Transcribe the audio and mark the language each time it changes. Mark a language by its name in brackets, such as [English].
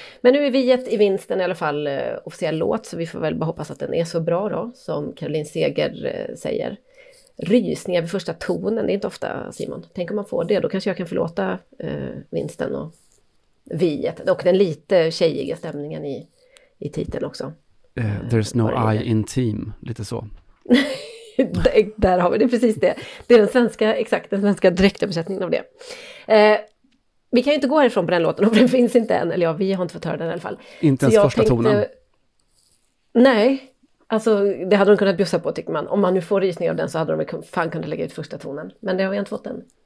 [Swedish] Men nu är Viet i vinsten i alla fall officiell låt, så vi får väl bara hoppas att den är så bra då, som Caroline Seger säger. Rysningar vid första tonen, det är inte ofta, Simon. Tänk om man får det, då kanske jag kan förlåta vinsten och Viet. Och den lite tjejiga stämningen i titeln också. [English] There's no I in team, [Swedish] lite så. Där har vi det, precis det. Det är den svenska, exakt, den svenska direktöversättningen av det. Vi kan ju inte gå härifrån på den låten, för den finns inte än. Eller ja, vi har inte fått höra den i alla fall. Inte ens första tonen. Nej, alltså det hade de kunnat bjussa på, tycker man. Om man nu får rysning av den så hade de fan kunnat lägga ut första tonen. Men det har vi inte fått än.